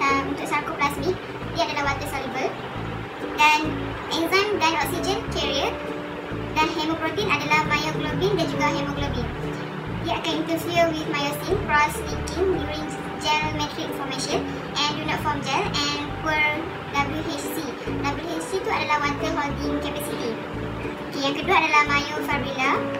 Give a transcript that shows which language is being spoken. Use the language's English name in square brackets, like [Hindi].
[Indonesian] Untuk sarcoplasmic, dia adalah water soluble, dan enzim dan oksigen carrier, dan hemoprotein adalah myoglobin dan juga hemoglobin. Ia akan [English] interfere with myosin, cross linking during gel matrix formation, and do not form gel and poor WHC. [Indonesian] WHC itu adalah water holding capacity. Okay, yang kedua adalah myofibrilla.